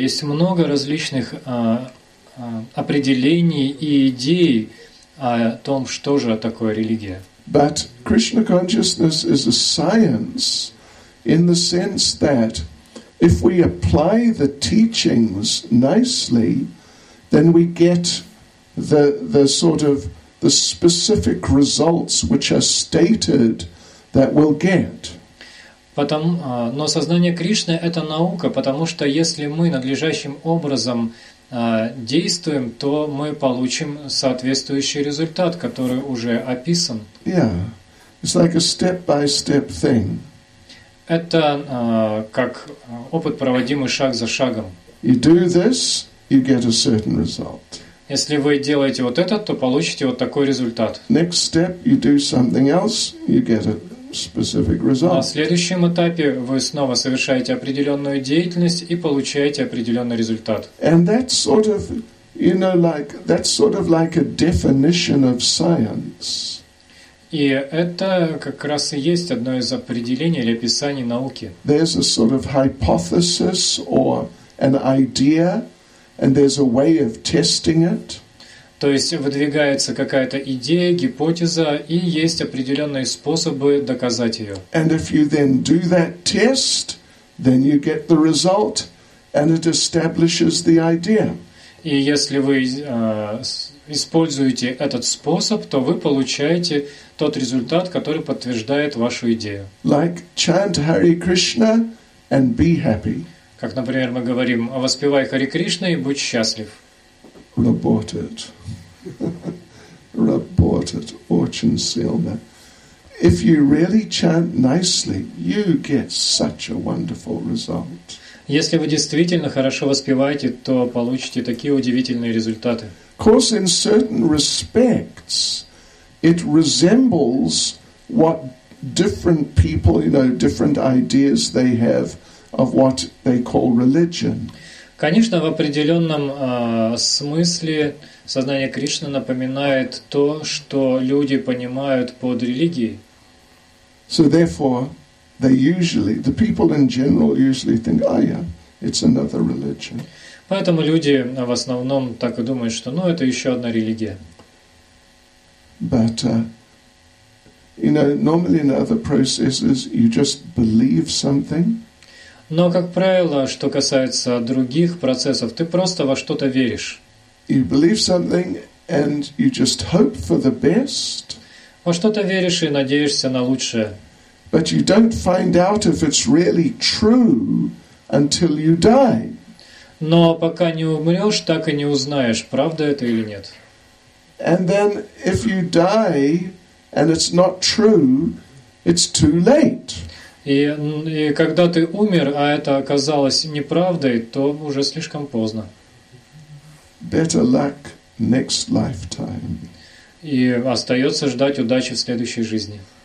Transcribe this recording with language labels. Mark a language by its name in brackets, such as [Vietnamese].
[Russian] Есть много различных определений и идей о том, что же такое религия. [English] But Krishna consciousness is a science in the sense that if we apply the teachings nicely, then we get the sort of the specific results which are stated that we'll get. [Russian] Но сознание Кришны — это наука, потому что если мы надлежащим образом действуем, то мы получим соответствующий результат, который уже описан. [English] Yeah. It's like a step-by-step thing. [Russian] Это как опыт, проводимый шаг за шагом. [English] You do this, you get a certain result. [Russian] Если вы делаете вот это, то получите вот такой результат. [English] Next step, you do something else, you get it. Specific result. [Russian] На следующем этапе вы снова совершаете определенную деятельность и получаете определенный результат. [English] And that's sort of, you know, like that's sort of like a definition of science. [Russian] И это как раз и есть одно из определений или описаний науки. [English] There's a sort of hypothesis or an idea, and there's a way of testing it. [Russian] То есть выдвигается какая-то идея, гипотеза, и есть определенные способы доказать ее. [English] And if you then do that test, then you get the result, and it establishes the idea. [Russian] И если вы используете этот способ, то вы получаете тот результат, который подтверждает вашу идею. [English] Like chant Hare Krishna and be happy. [Russian] Как, например, мы говорим: «Воспевай Хари Кришна и будь счастлив». [English] Reported. Reported. Orchin Silva. If you really chant nicely, you get such a wonderful result. [Russian] Если вы действительно хорошо воспеваете, то получите такие удивительные результаты. [English] Of course, in certain respects, it resembles what different people, you know, different ideas they have of what they call religion. [Russian] Конечно, в определенном смысле сознание Кришны напоминает то, что люди понимают под религией. [English] So therefore, they usually, the people in general usually think, oh yeah, it's another religion. [Russian] Поэтому люди в основном так и думают, что, ну, это еще одна религия. [English] But, you know, normally in other processes you just believe something. [Russian] Но, как правило, что касается других процессов, ты просто во что-то веришь. [English] You believe something and you just hope for the best. [Russian] Во что-то веришь и надеешься на лучшее. [English] But you don't find out if it's really true until you die. [Russian] Но пока не умрешь, так и не узнаешь, правда это или нет. [English] And then if you die and it's not true, it's too late. [Russian] И когда ты умер, а это оказалось неправдой, то уже слишком поздно. [English] Better luck next lifetime. [Russian] И остается ждать удачи в следующей жизни.